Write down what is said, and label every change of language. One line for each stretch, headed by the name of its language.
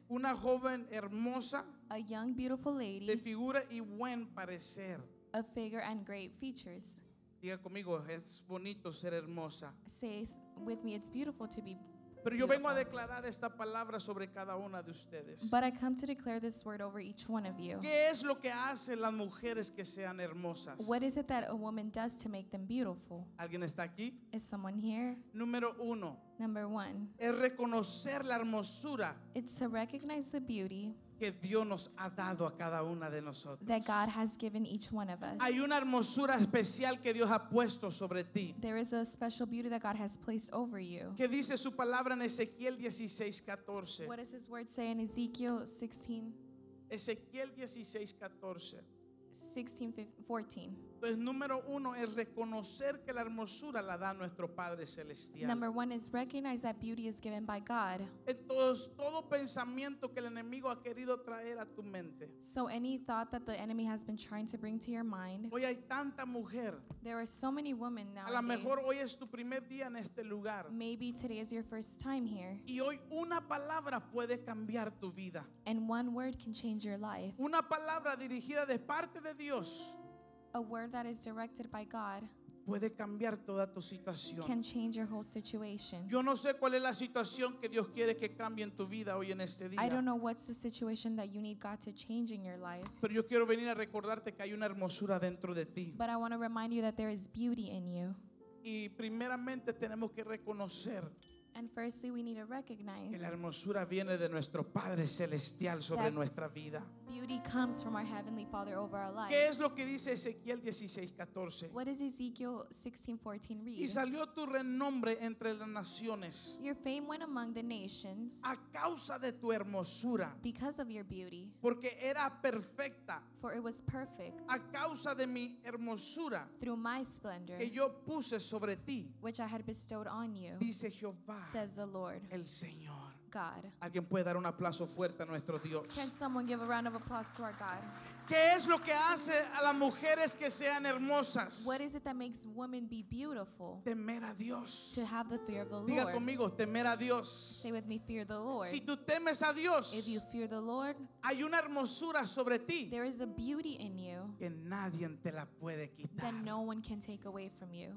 Spanish: Una joven hermosa.
English: A young, beautiful lady.
Spanish: De figura y buen parecer.
English: A figure and great features.
Spanish: Diga conmigo, es bonito ser hermosa.
English: Say with me, it's beautiful to be.
Spanish: Pero yo vengo a declarar esta palabra sobre cada una de ustedes.
English: But I come to declare this word over each one of you.
Spanish: ¿Qué es lo que hace las mujeres que sean hermosas?
English: What is it that a woman does to make them beautiful?
Spanish: ¿Alguien está aquí?
English: Is someone here?
Spanish: Número uno.
English: Number one.
Spanish: Es reconocer la hermosura.
English: It's to recognize the beauty.
Spanish: Que Dios nos ha dado a cada una de nosotros.
English: That God has given each one of us.
Spanish: Hay una hermosura especial que Dios ha puesto sobre ti.
English: There is a special beauty that God has placed over you.
Spanish: ¿Qué dice su palabra en Ezequiel 16:14?
English: What does his word say in Ezekiel 16?
Spanish: Ezequiel 16:14.
English: 16:14.
Spanish: Entonces, número uno es reconocer que la hermosura la da nuestro Padre Celestial.
English: Number one is recognize that beauty is given by God.
Spanish: Entonces, todo pensamiento que el enemigo ha querido traer a tu mente.
English: So any thought that the enemy has been trying to bring to your mind.
Spanish: Hoy hay tanta mujer.
English: There are so many women nowadays.
Spanish: A lo mejor hoy es tu primer día en este lugar.
English: Maybe today is your first time here.
Spanish: Y hoy una palabra puede cambiar tu vida.
English: And one word can change your life.
Spanish: Una palabra dirigida de parte de Dios.
English: a word that is directed by God
Spanish: puede cambiar toda tu situación.
English: Can change your whole situation.
Spanish: Yo no sé cuál es la situación que Dios quiere que cambie en tu vida hoy en este día.
English: I don't know what's the situation that you need God to change in your life.
Spanish: Pero yo quiero venir a recordarte que hay una hermosura dentro de ti.
English: But I want to remind you that there is beauty in you.
Spanish: Y primeramente tenemos que reconocer.
English: And firstly, we need to recognize
Spanish: que la hermosura viene de nuestro Padre Celestial sobre nuestra vida.
English: Beauty comes from our Heavenly Father over our life.
Spanish: ¿Qué es lo que dice Ezequiel 16:14?
English: What does Ezekiel 16:14 read?
Spanish: Y salió tu renombre entre las naciones.
English: Your fame went among the nations.
Spanish: A causa de tu hermosura.
English: Because of your beauty.
Spanish: Porque era perfecta.
English: For it was perfect.
Spanish: A causa de mi hermosura.
English: Through my splendor.
Spanish: Que yo puse sobre ti.
English: Which I had bestowed on you.
Spanish: Dice Jehová.
English: Says the Lord.
Spanish: El Señor.
English: God.
Spanish: ¿Alguien puede dar un aplauso fuerte a nuestro Dios?
English: Can someone give a round of applause to our God?
Spanish: ¿Qué es lo que hace a las mujeres que sean hermosas?
English: What is it that makes women be beautiful?
Spanish: Temer a Dios.
English: To have the fear of the
Spanish: Diga
English: Lord.
Spanish: Diga conmigo, temer a Dios.
English: Say with me, fear the Lord.
Spanish: Si tú temes a Dios,
English: if you fear the Lord,
Spanish: hay una hermosura sobre ti.
English: There is a beauty in you.
Spanish: Que nadie te la puede quitar.
English: That no one can take away from you.